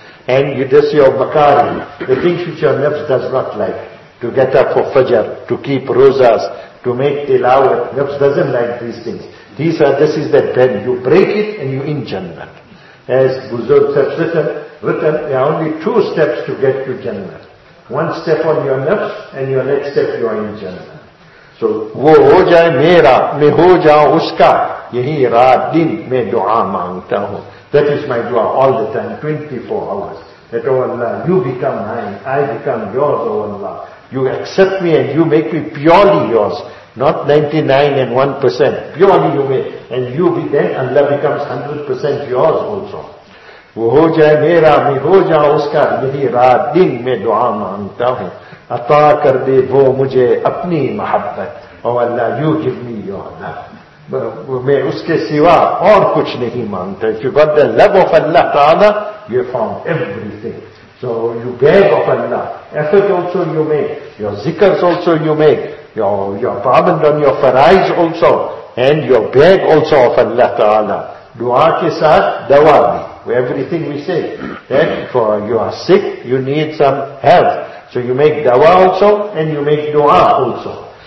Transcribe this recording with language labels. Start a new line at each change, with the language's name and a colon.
English: And you this your makarih, the things which your nafs does not like, to get up for fajr, to keep rozas, to make tilawat, nafs doesn't like these things. This is that pen. You break it and you're in Jannah. As Buzurg has written, there are only two steps to get to Jannah. One step on your nafs and your next step you are in Jannah.
Urdu: So, وہ ہو جائے میرا, میں ہو جاؤں اس کا, یہی رات دن میں دعا مانگتا ہوں.
English: That is my dua all the time, 24 hours. That, oh Allah, you become mine, I become yours, oh Allah. You accept me and you make me purely yours. Not 99% and 1%, purely you make. And you be, then Allah becomes 100% yours also.
Urdu: وہ ہو جائے میرا, میں ہو جاؤں اس کا, یہی رات دن میں دعا مانگتا ہوں. عطا کر دے وہ مجھے اپنی محبت,
English: oh Allah you give me your love,
Urdu: میں اس کے سوا اور کچھ نہیں مانگتا.
English: If you got the love of Allah Ta'ala, you found everything. So you beg of Allah, effort also you make, your zikrs also you make, your pabandi on your farais also, and your beg also of Allah Ta'ala.
Urdu: Dua ke saath dawa bhi,
English: everything we say, that for you are sick, you need some health. So you make dawa also, and you make dua also.